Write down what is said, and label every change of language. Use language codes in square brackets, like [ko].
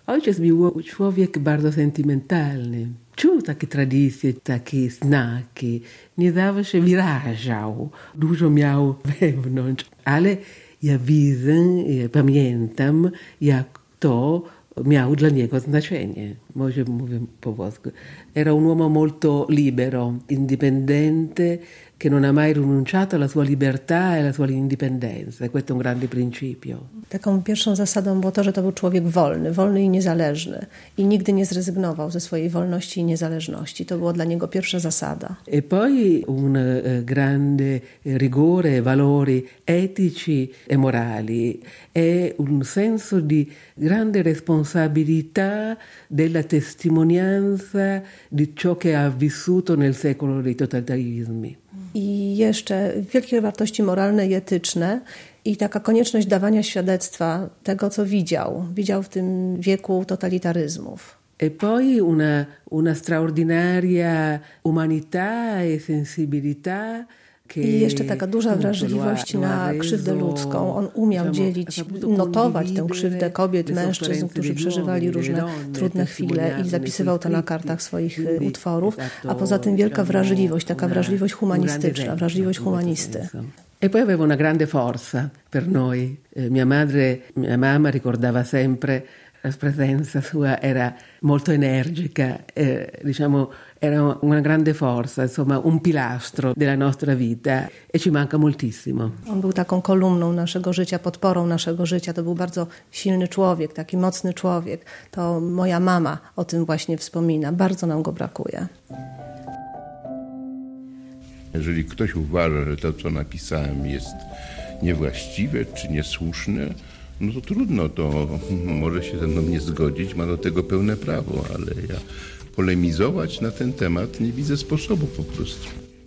[pl] Ojciec był człowiek bardzo sentymentalny. Czuł takie tradycje, takie znaki. Nie zawsze wyrażał. Dużo miał wewnątrz. Ale ja widzę, pamiętam, jak to miał dla niego znaczenie. Może mówię po włosku. [it] Era un uomo molto libero, indipendente, che non ha mai rinunciato alla sua libertà e alla sua indipendenza. Questo è un grande principio. [pl] Taką pierwszą zasadą było to, że to był człowiek wolny, wolny i niezależny. I nigdy nie zrezygnował ze swojej wolności i niezależności. To była dla niego pierwsza zasada. [it] E poi un grande rigore, valori etici e morali. E un senso di grande responsabilità della testimonianza di ciò che ha vissuto nel secolo dei totalitarismi. [pl] I jeszcze wielkie wartości moralne i etyczne i taka konieczność dawania świadectwa tego, co widział w tym wieku totalitaryzmów. [it] E poi una straordinaria umanità e sensibilità. [pl] I jeszcze taka duża wrażliwość na krzywdę ludzką. On umiał dzielić, notować tę krzywdę kobiet, mężczyzn, którzy przeżywali różne trudne chwile i zapisywał to na kartach swoich utworów. A poza tym wielka wrażliwość, taka wrażliwość humanistyczna, wrażliwość humanisty. [it] E poi aveva una grande forza per noi. Mia madre, mia mamma ricordava sempre la presenza sua, era molto energica, diciamo. Era una grande forza, insomma, un pilastro della nostra vita e ci manca moltissimo. [pl] On był taką kolumną naszego życia, podporą naszego życia. To był bardzo silny człowiek, taki mocny człowiek. To moja mama o tym właśnie wspomina. Bardzo nam go brakuje. Jeżeli ktoś uważa, że to, co napisałem, jest niewłaściwe czy niesłuszne, no to trudno, to może się ze mną nie zgodzić, ma do tego pełne prawo, ale ja polemizować na ten temat nie widzę sposobu po prostu.